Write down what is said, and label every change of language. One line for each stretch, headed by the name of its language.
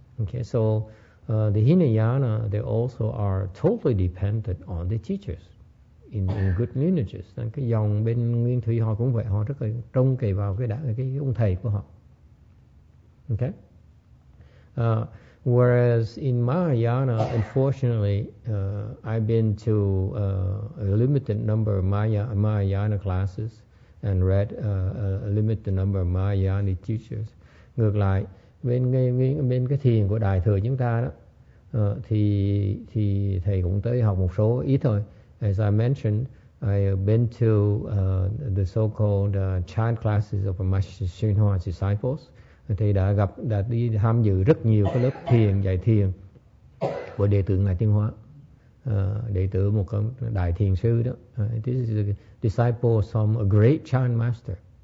English: Okay, so the Hinayana, they also are totally dependent on the teachers in good lineages.
Vietnamese: Cái dòng bên Nguyên Thủy họ cũng vậy, họ rất là trông cậy vào cái ông thầy của họ.
English: Okay. Whereas in Mahayana, unfortunately, I've been to a limited number of Mahayana classes and read a limited number of Mahayana teachers.
Vietnamese: Ngược lại, bên cái thiền của Đại Thừa chúng ta đó, thì thầy cũng tới học một số ít thôi.
English: As I mentioned, I have been to the so-called chant classes of Master Shinhwa's disciples.
Vietnamese: Thầy đã gặp, đã đi tham dự rất nhiều cái lớp thiền, dạy thiền của đệ tử Ngài Tiên Hóa, đệ tử một đại thiền sư đó.
English: This is a disciple from a great Chan master.